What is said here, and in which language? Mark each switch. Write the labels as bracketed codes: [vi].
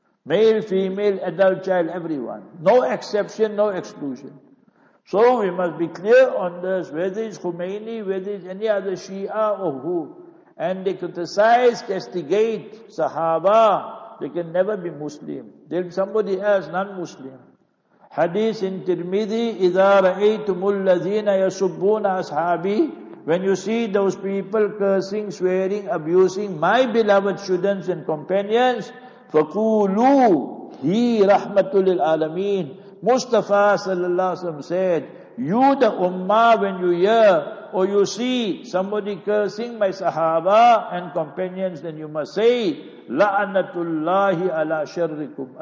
[en] Male, female, adult, child, everyone. No exception, no exclusion. So we must be clear on this, whether it's Khomeini, whether it's any other Shia or who. And they criticize, castigate sahaba, they can never be Muslim. They'll be somebody else, non-Muslim. Hadith in Tirmidhi, [ar] إِذَا رَأَيْتُمُ الَّذِينَ يَسُبُّونَ أَصْحَابِي. [en] When you see those people cursing, swearing, abusing my beloved students and companions, [ar] فَقُولُوا هِي رَحْمَةُ لِلْعَالَمِينَ. [en] Mustafa sallallahu alayhi wa sallam said, you the ummah, when you hear or you see somebody cursing my sahaba and companions, then you must say, [ar] La'anatullahi ala sharrikum.